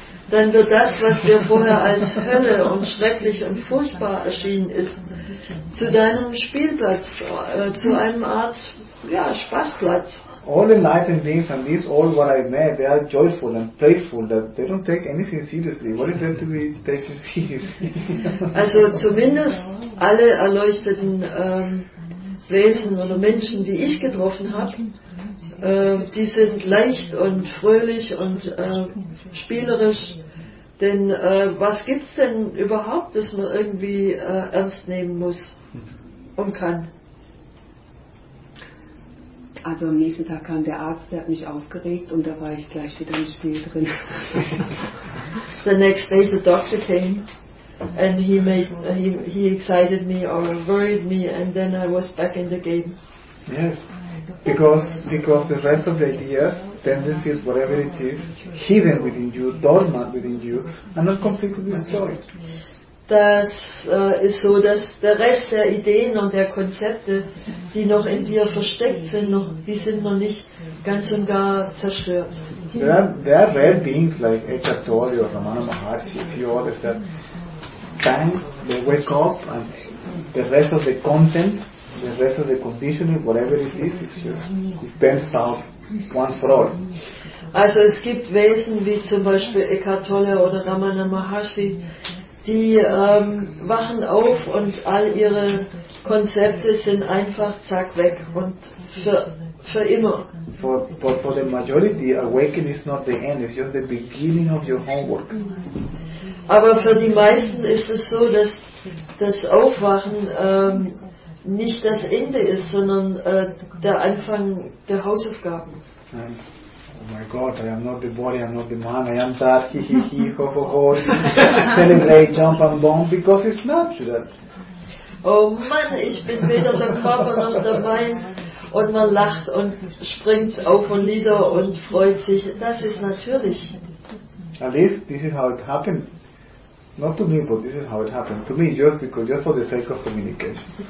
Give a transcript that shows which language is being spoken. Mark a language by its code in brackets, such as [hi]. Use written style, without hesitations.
[de] Dann wird das, was dir vorher als Hölle und schrecklich und furchtbar erschienen ist, zu deinem Spielplatz, zu einem Art ja, Spaßplatz. [en] All enlightened beings and these all what I met, they are joyful and playful. That they don't take anything seriously. What is there to be taken seriously? [de] Also zumindest alle erleuchteten Wesen oder Menschen, die ich getroffen habe, die sind leicht und fröhlich und spielerisch. Denn was gibt es denn überhaupt, das man irgendwie ernst nehmen muss und kann? Also am nächsten Tag kam der Arzt, der hat mich aufgeregt und da war ich gleich wieder im Spiel drin. [en] The next day the doctor came and he excited me or worried me and then I was back in the game. Yes. Because the rest of the ideas, tendencies, whatever it is, hidden within you, dormant within you, are not completely destroyed. [de] Das ist so, dass der Rest der Ideen und der Konzepte, die noch in dir versteckt sind, noch, die sind noch nicht ganz und gar zerstört. [en] There are rare beings like Eckhart Tolle or Ramana Maharshi, a few others that bang, they wake up and the rest of the content, the rest of the conditioning, whatever it is, it's just, it bends out once for all. [de] Also es gibt Wesen wie zum Beispiel Eckhart Tolle oder Ramana Maharshi, die wachen auf und all ihre Konzepte sind einfach zack weg und für immer. [en] For the majority, awakening is not the end, it's just the beginning of your homework. [de] Aber für die meisten ist es so, dass das Aufwachen nicht das Ende ist, sondern der Anfang der Hausaufgaben. [en] Oh my God, I am not the body, I am not the man, I am that, ho, ho, ho, celebrate, jump and bomb, because it's natural. [de] oh Mann, ich bin weder der Körper noch der Wein. Und man lacht und springt auf und nieder und freut sich. Das ist natürlich. [en] At least this is how it happened. Not to me, but this is how it happened. To me, just because, just for the sake of communication.